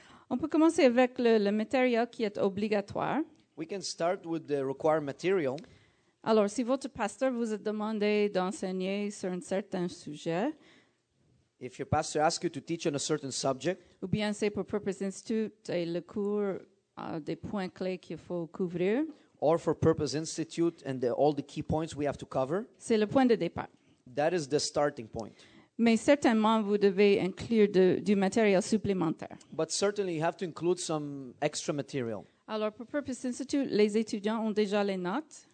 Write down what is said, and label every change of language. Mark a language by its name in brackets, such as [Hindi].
[French] On peut commencer avec le matériel qui est obligatoire. [English] We can start with the required material. [French] Alors, si votre pasteur vous a demandé d'enseigner sur un certain sujet... [English] If your pastor asks you to teach on a certain subject, [French] ou bien c'est pour Purpose Institute et le cours des points clés qu'il faut couvrir, [English] or for Purpose Institute and all the key points we have to cover, [French] c'est le point de départ. [English] That is the starting point. [French] Mais certainement, vous devez inclure du matériel supplémentaire. [English] But certainly, you have to include some extra material. [French] Alors, pour Purpose Institute, les étudiants ont déjà les notes.